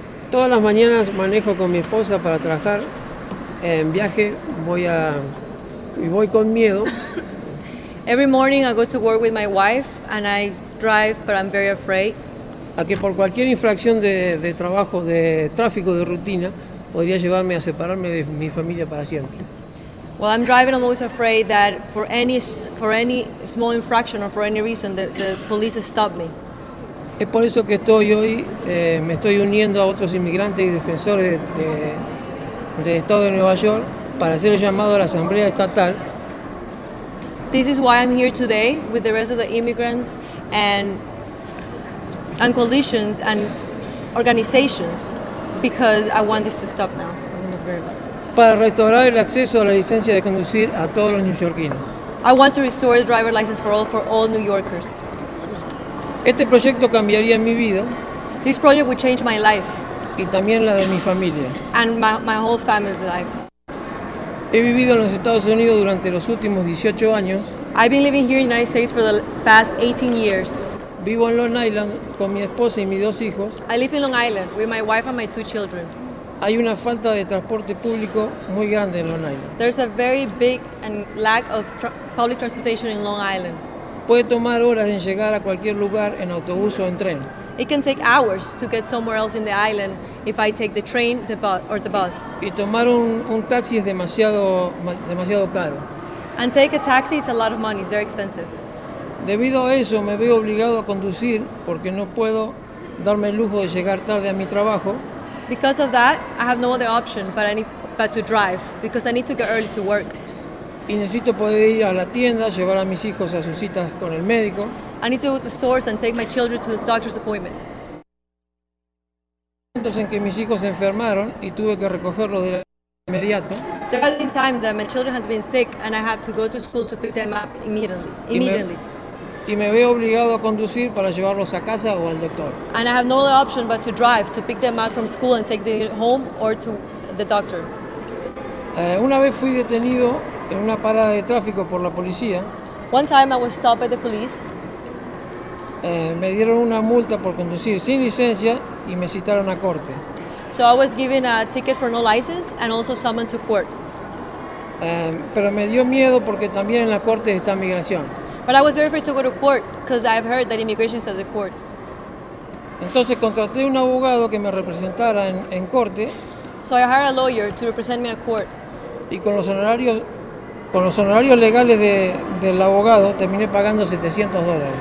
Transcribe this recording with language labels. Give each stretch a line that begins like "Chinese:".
Spanish: Todas las mañanas manejo con mi esposa para trabajar. En viaje voy con miedo.
English: Every morning I go to work with my wife and I drive, but I'm very afraid.
Spanish: A que por cualquier infracción de trabajo, de tráfico, de rutina, podría llevarme a separarme de mi familia para siempre.
English: Well, I'm driving, I'm always afraid that for any small infraction or for any reason the police stop me.
Spanish: Es por eso que estoy hoy, me estoy uniendo a otros inmigrantes y defensores del estado de Nueva York para hacer el llamado a la asamblea estatal.
English: This is why I'm here today with the rest of the immigrants and coalitions and organizations, because I want this to stop now.
Spanish: Para restaurar el acceso a la licencia de conducir a todos los neoyorquinos.
English: I want to restore the driver license for all New Yorkers.
Spanish: Este proyecto cambiaría mi vida.
English: This project would change my life.
Spanish: Y también la de mi familia.
English: And my whole family's life.
Spanish: He vivido en los Estados Unidos durante los últimos 18 años.
English: I've been living here in the United States for the past 18 years.
Spanish: Vivo en Long Island con mi esposa y mis dos hijos.
English: I live in Long Island with my wife and my two children.
Spanish: Hay una falta de transporte público muy grande en Long Island.
English: There's a very big and lack of public transportation in Long Island.
Spanish: Puede tomar horas en llegar a cualquier lugar en autobús o en tren.
English: It can take hours to get somewhere else in the island if I take the train, the bus.
Spanish: Y tomar un taxi es demasiado caro.
English: And take a taxi is a lot of money, it's very expensive.
Spanish: Debido a eso me veo obligado a conducir porque no puedo darme el lujo de llegar tarde a mi trabajo.
English: Because of that, I have no other option but to drive, because I need to get early to work.
Spanish: Y necesito poder ir a la tienda, llevar a mis hijos a sus citas con el médico.
English: I need to go to the stores and take my children to the doctor's appointments.
Spanish: Momentos en que mis hijos se enfermaron y tuve que recogerlos de inmediato.
English: There have been times that my children have been sick and I have to go to school to pick them up immediately.
Spanish: Y me veo obligado a conducir para llevarlos a casa o al doctor.
English: And I have no other option but to drive to pick them up from school and take them home or to the doctor.
Spanish: Una vez fui detenido en una parada de tráfico por la policía.
English: One time I was stopped by the police.
Spanish: Me dieron una multa por conducir sin licencia y me citaron a corte.
English: So I was given a ticket for no license and also summoned to court.
Spanish: Pero me dio miedo porque también en la corte está migración.
English: But I was very afraid to go to court because I've heard that immigration is at the courts.
Spanish: Entonces contraté un abogado que me representara en corte.
English: So I hired a lawyer to represent me in court.
Spanish: Y con los honorarios legales del abogado, terminé pagando $700.